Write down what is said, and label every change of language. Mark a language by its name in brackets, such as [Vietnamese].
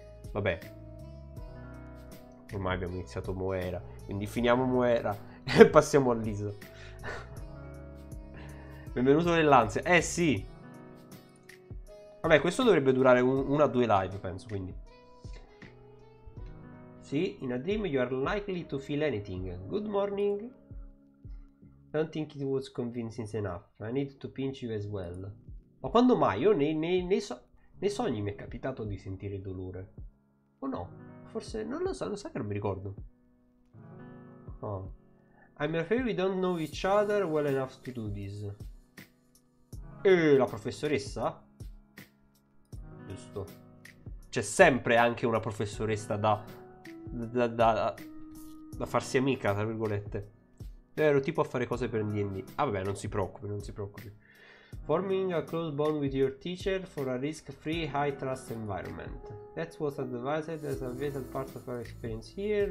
[Italian] Vabbè. Ormai abbiamo iniziato Moera. Quindi finiamo Moera e passiamo a Lisa. Benvenuto nell'ansia. Sì. Vabbè, questo dovrebbe durare una o due live, penso, quindi... [English] Sì, in a dream you are likely to feel anything. Good morning. I don't think it was convincing enough. I need to pinch you as well. [Italian] Ma quando mai? Io nei sogni mi è capitato di sentire dolore. O no? Forse non lo so, lo sai che non mi ricordo. Oh. [English] I'm afraid we don't know each other well enough to do this. [Italian] La professoressa? Giusto. C'è sempre anche una professoressa da farsi amica, tra virgolette. Ero tipo a fare cose per D&D. Ah vabbè, non si preoccupi. [English] Forming a close bond with your teacher for a risk-free high trust environment. That's what's advised as a vital part of our experience here.